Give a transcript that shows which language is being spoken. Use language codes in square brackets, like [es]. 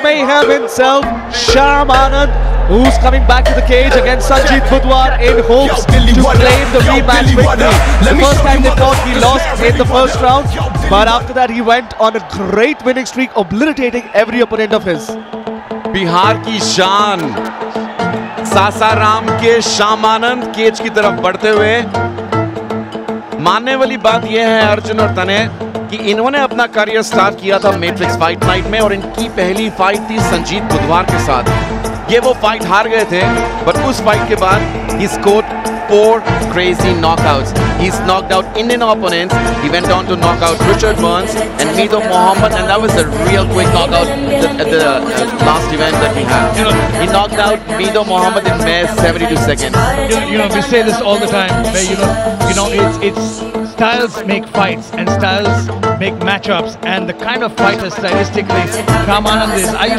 [en] Mayhem himself, Shyamanand, who's coming back to the cage against Sanjeet Budhwar in hopes to claim the rematch victory. The first time they thought he lost in the first round, but after that he went on a great winning streak, obliterating every opponent of his. [hi] Bihar की शान सासाराम के शामानंद cage की तरफ बढ़ते हुए मानने वाली बात यह है अर्जुन और तने कि इन्होंने अपना करियर स्टार्ट किया था मैट्रिक्स फाइट नाइट में और इनकी पहली फाइट थी संजीत बुधवार के साथ ये वो फाइट हार गए थे बट उस फाइट के बाद he scored [en] four crazy knockouts. He's knocked out Indian opponents. He went on to knock out Richard Burns and Mido Mohammed, and that was a real quick knockout at the last event that we had. You know, he knocked out Mido Mohammed in mere 72 seconds. You know, we say this all the time, but you know, it's styles make fights and styles make matchups, and the kind of fighter stylistically Shyamanand is.